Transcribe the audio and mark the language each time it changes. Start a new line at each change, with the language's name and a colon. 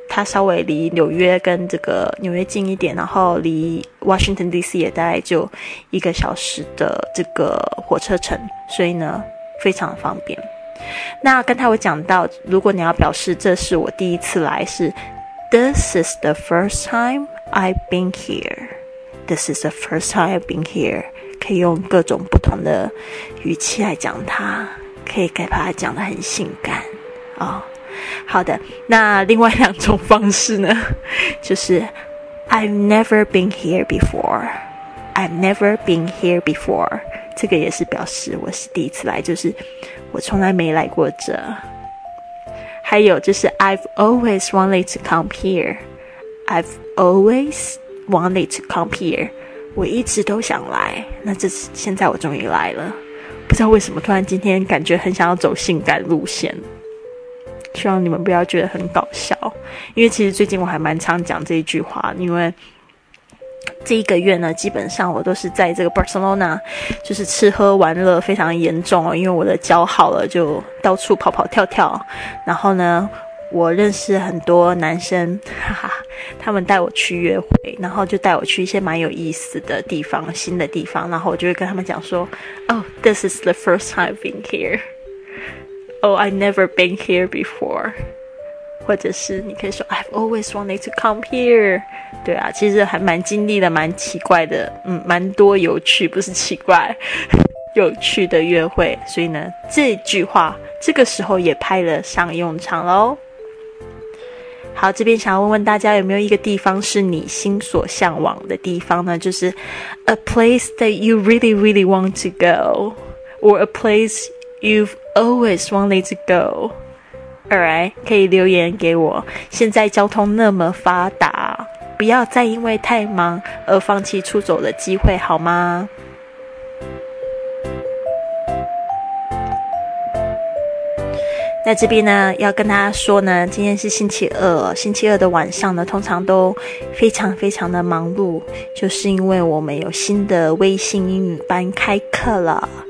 Chinese: 它稍微离纽约跟这个纽约近一点，然后离 Washington DC 也大概就一个小时的这个火车程，所以呢非常方便。那刚才我讲到，如果你要表示这是我第一次来，是 This is the first time I've been here.
English: This is the first time I've been here.
Chinese: 可以用各种不同的语气来讲它，可以把它讲得很性感哦。好的，那另外两种方式呢，就是 I've never been here before.
English: I've never been here before.
Chinese: 这个也是表示我是第一次来，就是我从来没来过这。
English: 还有就是 I've always wanted to come here. I've always wanted to come here.
Chinese: 我一直都想来，那这是现在我终于来了。不知道为什么突然今天感觉很想要走性感路线，希望你们不要觉得很搞笑，因为其实最近我还蛮常讲这一句话，因为这一个月呢，基本上我都是在这个 Barcelona 就是吃喝玩乐非常严重，因为我的脚好了就到处跑跑跳跳，然后呢我认识很多男生，哈哈，他们带我去约会，然后就带我去一些蛮有意思的地方，新的地方，然后我就会跟他们讲说 Oh, this is the first time I've been here.
English: Oh, I've never been here before. 或者是你可以说 I've always wanted to come here.
Chinese: 对啊，其实还蛮经历的蛮奇怪的，蛮多有趣，不是奇怪，有趣的约会，所以呢这句话这个时候也派了上用场咯。好，这边想要问问大家，有没有一个地方是你心所向往的地方呢？就是 a place that you really really want to go, or a place you've always wanted to go. Alright, 可以留言给我。现在交通那么发达，不要再因为太忙而放弃出走的机会，好吗？那这边呢要跟大家说呢，今天是星期二，星期二的晚上呢通常都非常非常的忙碌，就是因为我们有新的微信英语班开课了。